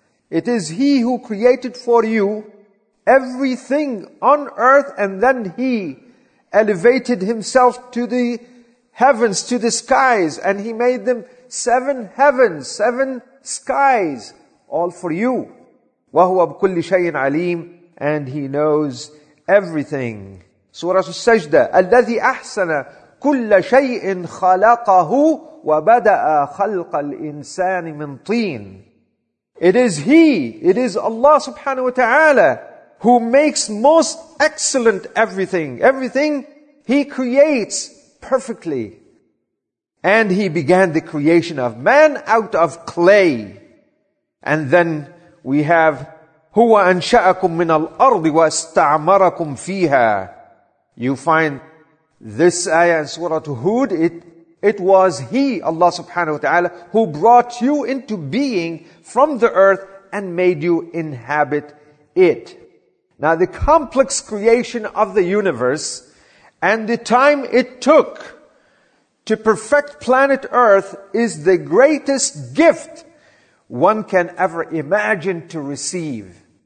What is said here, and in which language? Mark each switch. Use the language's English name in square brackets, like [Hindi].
[English] It is He who created for you everything on earth, and then He elevated Himself to the heavens, to the skies, and He made them seven heavens, seven skies, all for you. [Arabic] وَهُوَ بِكُلِّ شَيْءٍ عَلِيمٌ. [English] And He knows everything. [Arabic] Surah Al-Sajda, الَّذِي أَحْسَنَ كُلَّ شَيْءٍ خَلَقَهُ وَبَدَأَ خَلْقَ الْإِنسَانِ مِنْ طِينَ. [English] It is He, it is Allah subhanahu wa ta'ala, who makes most excellent everything. Everything He creates perfectly. And He began the creation of man out of clay. And then we have, [Arabic] هُوَ أَنْشَأَكُمْ مِنَ الْأَرْضِ وَاسْتَعْمَرَكُمْ فِيهَا. [English] You find this ayah in Surah Hud, it was He, Allah subhanahu wa ta'ala, who brought you into being from the earth and made you inhabit it. Now the complex creation of the universe and the time it took to perfect planet earth is the greatest gift one can ever imagine to receive.